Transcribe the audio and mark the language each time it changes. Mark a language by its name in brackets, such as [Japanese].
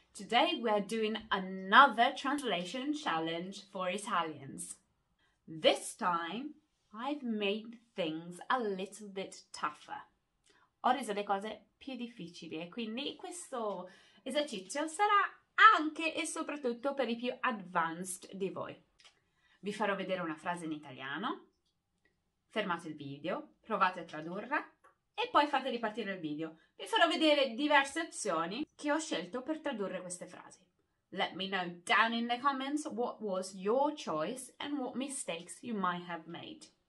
[English] Today we're doing another translation challenge for Italians. This time I've made things a little bit tougher. [Italian] Ho reso le cose più difficili e quindi questo esercizio sarà anche e soprattutto per i più advanced di voi. Vi farò vedere una frase in italiano. Fermate il video, provate a tradurla. E poi fate ripartire il video. Vi farò vedere diverse opzioni che ho scelto per tradurre queste frasi. [English] Let me know down in the comments what was your choice and what mistakes you might have made.